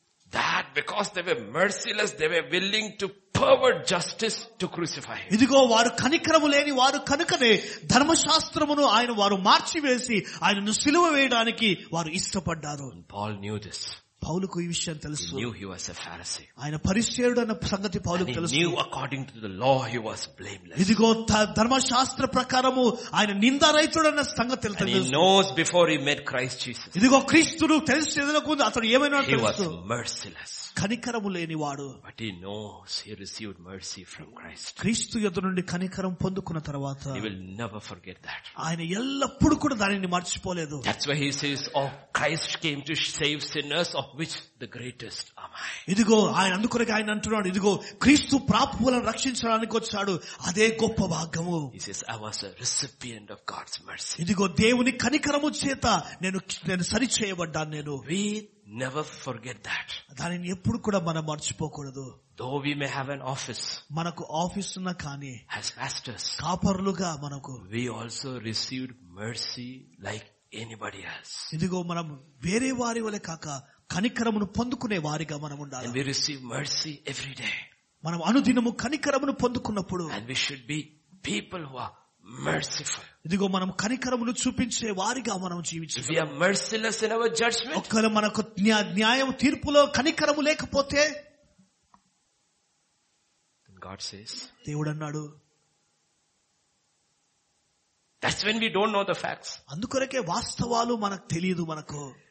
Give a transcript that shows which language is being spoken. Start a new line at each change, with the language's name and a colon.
English: That because they were merciless, they were willing to pervert justice to crucify him.
Telugu: ఇదిగో వారు కనికరము లేని వారు కనుకనే ధర్మశాస్త్రమును ఆయన వారు మార్చివేసి ఆయనను సిలువ వేయడానికి వారు ఇష్టపడ్డారు.
English: Paul knew this.
Telugu: పౌలుకు ఈ విషయం తెలుసు.
English: He knew he was a Pharisee.
Telugu: ఆయన పరిశేయుడన్న సంగతి పౌలుకు తెలుసు.
English: He knew according to the law he was blameless.
Telugu: ఇదిగో ధర్మశాస్త్ర ప్రకారము ఆయన నిందారహితుడన్న సంగతి తెలుసు.
English: He knows before he met Christ Jesus.
Telugu: ఇదిగో క్రీస్తును తెలుసేదనకు ముందు అతడు ఏమైనాడో తెలుసు.
English: He was merciless.
Telugu: కనికరము లేని వాడు.
English: But he knows he received mercy from Christ.
Telugu: క్రీస్తు యొద్ద నుండి కనికరం పొందుకున్న తర్వాత
English: he will never forget that.
Telugu: ఆయన ఎల్లప్పుడూ కూడా దానిని మర్చిపోలేదు.
English: That's why he says, oh, Christ came to save sinners, of which the greatest am I.
Telugu: ఇదిగో ఆయన అందుకొరకు ఆయన అంటున్నాడు, ఇదిగో క్రీస్తు ప్రాపులను రక్షించడానికి వచ్చాడు, అదే గొప్ప భాగ్యము.
English: He says, I was a recipient of God's mercy.
Telugu: ఇదిగో దేవుని కనికరము చేత నేను సరిచేయబడ్డాను. నేను
English: never forget that.
Telugu: దానిని ఎప్పుడు కూడా మనం మర్చిపోకూడదు.
English: Though we may have an office,
Telugu: మనకు ఆఫీస్ ఉన్న కాని
English: as pastors,
Telugu: కాపర్లుగా మనకు
English: we also received mercy like anybody else.
Telugu: ఇదిగో మనం వేరే వారి వలె కాక కనికరమును పొందుకునే వారిగా మనం ఉండాలి.
English: We receive mercy every day.
Telugu: మనం అనుదినము కనికరమును పొందుకున్నప్పుడు
English: and we should be people who are merciful.
Telugu: ఇదిగో మనం కనికరములు చూపించే వారిగా మనం జీవించాలి. ఒక్కరు మనకు న్యాయం తీర్పులో కనికరము లేకపోతే
English: God says,
Telugu: దేవుడు అన్నాడు,
English: That's when we don't know the facts.
Telugu: అందుకొరకే వాస్తవాలు మనకు తెలియదు. మనకు